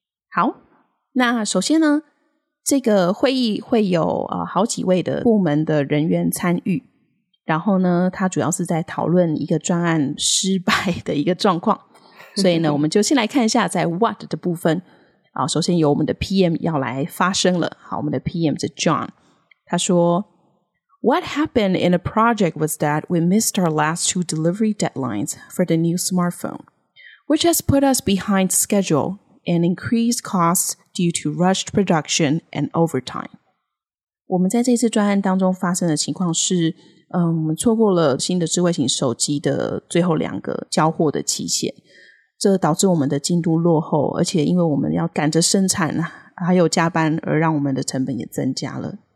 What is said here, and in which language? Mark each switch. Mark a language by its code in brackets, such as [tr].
[zh] 好，那首先呢这个会议会有好几位的部门的人员参与，然后呢他主要是在讨论一个专案失败的一个状况。所以呢我们就先来看一下在 what 的部分首先由我们的 PM 要来发声了。好，我们的 PM 是 John， 他说 [en] What happened in a project was that we missed our last two delivery deadlines for the new smartphone which has put us behind schedule and increased costs due to rushed production and overtime。 [zh] 我们在这次专案当中发生的情况是我们错过了新的智慧型手机的最后两个交货的期限，这导致我们的进度落后，而且因为我们要赶着生产还有加班而让我们的成本也增加了。